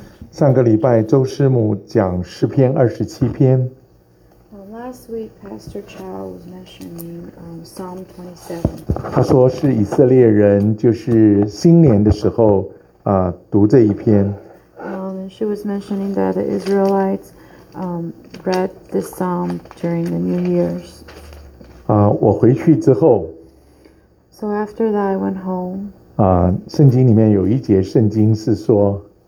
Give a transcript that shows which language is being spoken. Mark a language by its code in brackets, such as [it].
[zh] 上个礼拜周师母讲诗篇27篇。 [en] Last week, Pastor Chow was mentioning Psalm 27. [zh] 他说是以色列人就是新年的时候读这一篇。 [en] She was mentioning that the Israelites read this Psalm during the New Year's. [zh] 我回去之后。 [en] So after that, I went home. [zh] 圣经里面有一节圣经是说。